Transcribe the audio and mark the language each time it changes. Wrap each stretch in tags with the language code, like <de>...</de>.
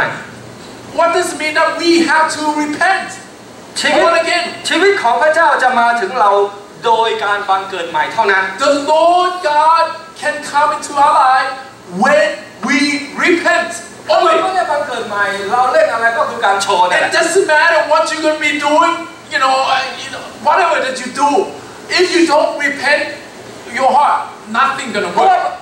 <en>What does it mean that we have to repent Born again</en> <th>ชีวิตของพระเจ้าจะมาถึงเราโดยการบังเกิดใหม่เท่านั้น</th> <en>The Lord GodCan come into our life when we repent. Only. It doesn't matter what you're going to be doing, you know, whatever that you do. If you don't repent your heart, nothing going to work.</en>